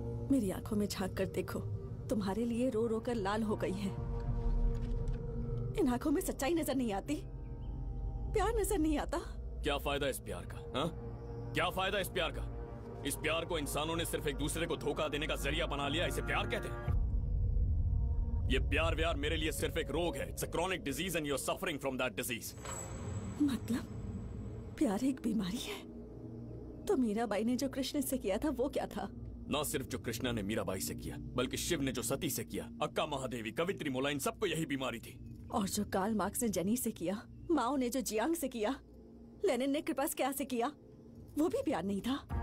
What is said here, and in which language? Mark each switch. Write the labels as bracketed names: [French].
[Hindi] मेरी आंखों में झांक कर देखो, तुम्हारे लिए रो रो कर लाल हो गई है। इन आंखों में सच्चाई नजर नहीं आती, प्यार नजर नहीं आता। क्या फायदा इस प्यार का, हा? क्या फायदा इस प्यार का? इस प्यार को इंसानों ने सिर्फ एक दूसरे को धोखा देने का जरिया बना लिया, इसे प्यार कहते हैं? ये प्यार व्यार मेरे लिए सिर्फ एक रोग है। [English] It's a chronic disease and you're suffering from that disease. [Hindi] मतलब प्यार एक बीमारी है? तो मीराबाई ने जो कृष्ण से किया था वो क्या था? ना सिर्फ जो कृष्णा ने मीराबाई से किया, बल्कि शिव ने जो सती से किया, अक्का महादेवी, कवित्री मोला, इन सबको यही बीमारी थी। और जो काल मार्क्स ने जेनी से किया, माओ ने जो जियांग से किया, लेनिन ने कृपा से क्या से किया, वो भी प्यार नहीं था।